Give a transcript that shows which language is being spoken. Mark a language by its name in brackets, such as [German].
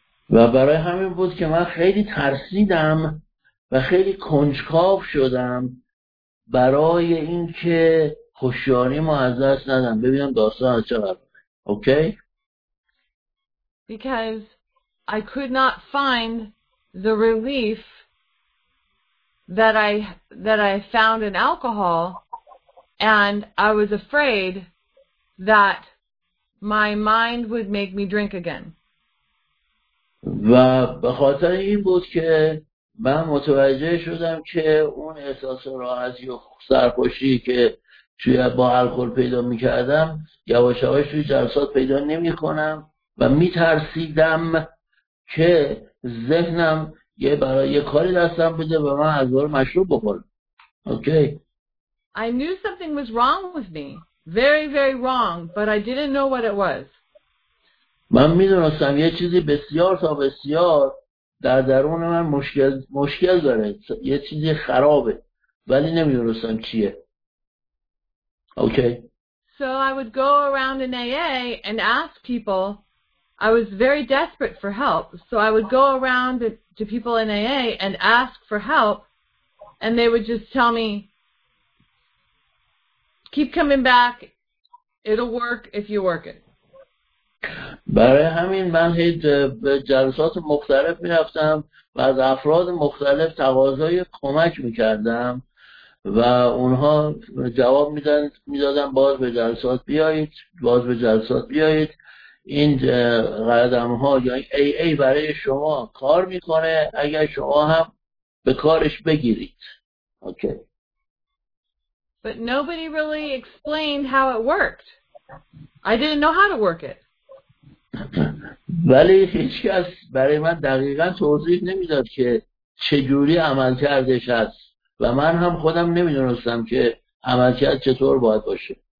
[Persian] و برای همین بود که من خیلی ترسیدم و خیلی کنجکاو شدم برای اینکه هوشیاریمو از دست ندم. ببینم داستان از چه قراره. [English] Okay? Because I could not find the relief that I found in alcohol, and I was afraid that my mind would make me drink again. [Persian] و به خاطر این بود که من متوجه شدم که اون احساس راحتی و سرخوشی که توی با الکل پیدا می کردم یواش یواش توی جلسات پیدا نمی کنم و می ترسیدم که ذهنم یه برای یه کاری دستم بده و من از دور مشروب بخورم. [English] Okay. I knew something was wrong with me. Very, very wrong. But I didn't know what it was. [Persian] من میدونستم یه چیزی بسیار تا بسیار در درون من مشکل داره، یه چیزی خرابه، ولی نمیدونستم چیه. [English] Okay. So I would go around in AA and ask people. I was very desperate for help, so I would go around to people in AA and ask for help, and they would just tell me, keep coming back, it'll work if you work it. [Persian] برای همین من هید به جلسات مختلف میرفتم و از افراد مختلف تقاضای کمک میکردم و اونها جواب میدادن باز به جلسات بیایید، باز به جلسات بیایید، این قدم ها یا AA برای شما کار میکنه اگر شما هم به کارش بگیرید. [English] Okay. But nobody really explained how it worked. I didn't know how to work it. [Persian] ولی هیچ کس برای من دقیقا توضیح نمیداد که چجوری عمل کردش هست و من هم خودم نمیدونستم که عمل کرد چطور باید باشه.